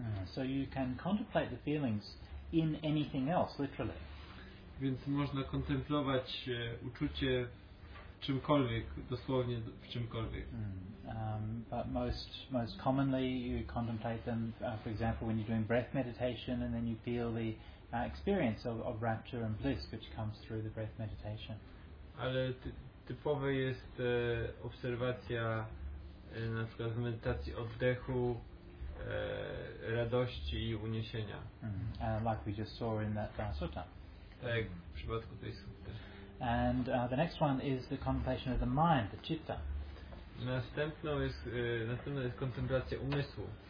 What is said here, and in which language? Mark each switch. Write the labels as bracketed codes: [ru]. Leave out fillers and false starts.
[en] So you can contemplate the feelings in anything else, literally. [pl] Więc można kontemplować uczucie w czymkolwiek, dosłownie w czymkolwiek. [en] But most commonly you contemplate them, for example, when you're doing breath meditation, and then you feel the experience of rapture and bliss, which comes through the breath meditation. [pl] Ale typowe jest obserwacja na przykład w medytacji oddechu, radości i uniesienia. [en] Like we just saw in that sutta. [pl] Tak, w przypadku tej sutty. [en] And the next one is the contemplation of the mind, the citta. [pl] Następna jest kontemplacja umysłu.